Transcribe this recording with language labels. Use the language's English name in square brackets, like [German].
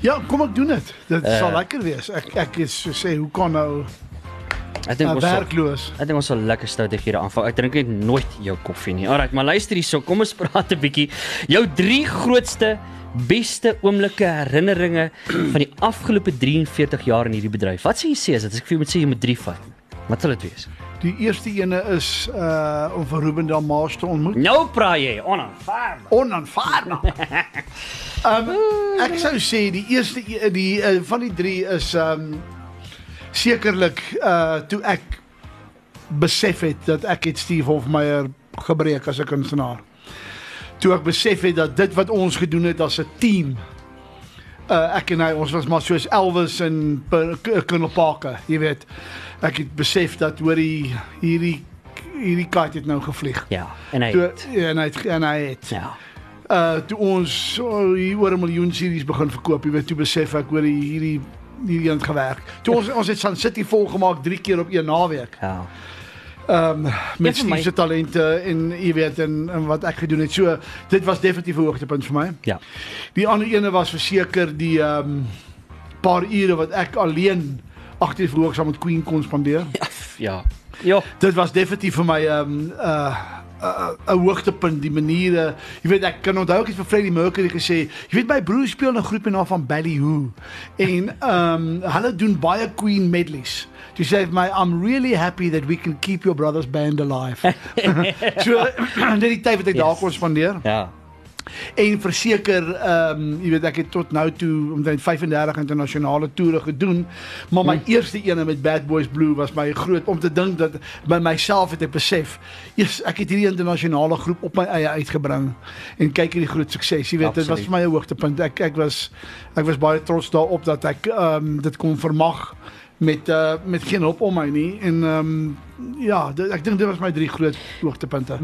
[Afrikaans] Ja, kom ek doen het. Dit sal lekker wees. Ek is so sê, hoe kan nou werkloos? Ek dink ons sal lekker stoutig hier aanvang. Ek drink net nooit jou koffie nie. Alright, maar luister hier, so kom ons praat 'n bietjie. Jou drie grootste, beste oomblikke herinneringe van die afgelope 43 jaar in hierdie bedryf. Wat sê jy sê, as dit? Ek vir jou moet sê, jy moet drie vat. Wat sal dit wees? Die eerste ene is om van Ruben Delmas te ontmoet. Nou praai jy, onaanvaardbaar. Onaanvaardbaar. ek sou sê, die eerste van die drie is sekerlik toe ek besef het dat ek het Steve Hofmeyer gebreek as 'n kunstenaar. Toe ek besef het dat dit wat ons gedoen het as 'n team, ek en hy, ons was maar soos Elvis en Colonel Parker, jy weet. Ek het besef dat hoorie hierdie kat het nou gevlieg. Ja, en hy het. En hy het. Ja. Toe ons hier oor 'n miljoen series begin verkoop, jy weet, toe besef ek hoorie hierdie aan het gewerk. Toe ons het Sun City volgemaak 3 keer op 1 naweek. Ja. Met Steve's talente en jy weet en wat ek gedoen het. So, dit was definitief 'n hoogtepunt vir my. Ja. Die ander ene was verseker die paar ure wat ek alleen achter die verhoog saam met Queen kon spandeer. Ja. Ja. Dit was definitief vir my een hoogtepunt, die maniere. Jy weet, ek kan onthou, ek het vir Freddie Mercury gesê, jy weet, my broer speel een groep naam van Ballyhoo. En hulle doen baie Queen medleys. Toe sê my, [English] I'm really happy that we can keep your brother's band alive. [Afrikaans] So, dit die tyd wat ek daar kon spandeer. Ja. En verseker, jy weet, ek het tot nou toe omtrent 35 internationale toere gedoen, maar my eerste ene met Bad Boys Blue was my groot, om te dink dat by myself het ek besef, yes, ek het hierdie internationale groep op my eie uitgebring, en kyk hierdie groot sukses, jy weet, dit was vir my 'n hoogtepunt, ek was baie trots daarop dat ek dit kon vermag, met geen hulp om my nie, en ek dink dit was my drie groot hoogtepunte.